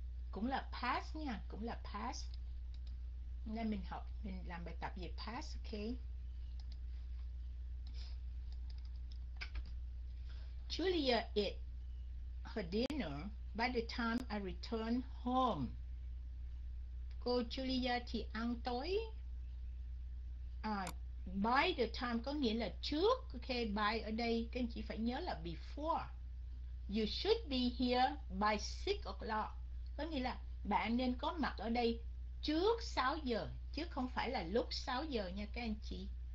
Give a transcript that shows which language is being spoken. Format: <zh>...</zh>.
<vi>Cũng là pass nha, cũng là pass. Nên mình học, mình làm bài tập về pass, ok.</vi> <en>Julia ate her dinner by the time I returned home.</en> <vi>Cô Julia thì ăn tối</vi> <en>by the time</en> <vi>có nghĩa là trước, ok, by ở đây các anh chị phải nhớ là before.</vi> <en>You should be here by 6 o'clock.</en> <vi>Có nghĩa là bạn nên có mặt ở đây trước 6 giờ, chứ không phải là lúc 6 giờ nha các anh chị.</vi>